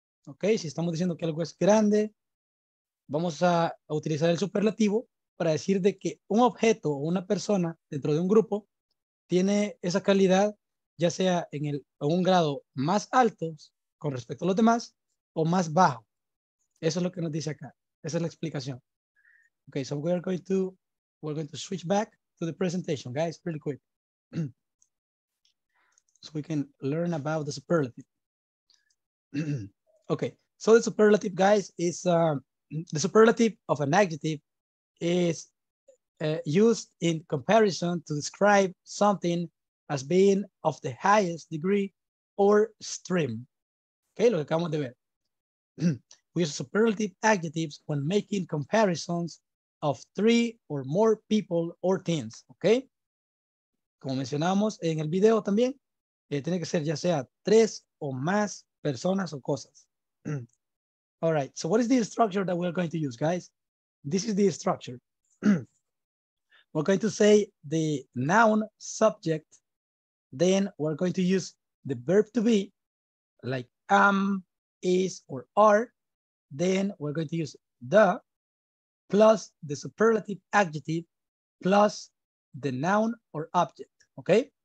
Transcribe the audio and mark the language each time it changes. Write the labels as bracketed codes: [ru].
[es] Ok, si estamos diciendo que algo es grande, vamos a utilizar el superlativo para decir de que un objeto o una persona dentro de un grupo tiene esa calidad, ya sea en un grado más alto con respecto a los demás o más bajo. Eso es lo que nos dice acá. Esa es la explicación. [en] Ok, so we're going to switch back to the presentation, guys, pretty quick. So we can learn about the superlative. Okay, so the superlative, guys, is the superlative of an adjective is used in comparison to describe something as being of the highest degree or extreme. Okay, [es] lo que acabamos de ver. [en] We use superlative adjectives when making comparisons of three or more people or things. [es] Okay, como mencionamos en el video también, tiene que ser ya sea tres o más personas o cosas. [en] All right, so what is the structure that we're going to use, guys? This is the structure. We're going to say the noun subject, then we're going to use the verb to be, like am, is, or are, then we're going to use the, plus the superlative adjective, plus the noun or object, okay?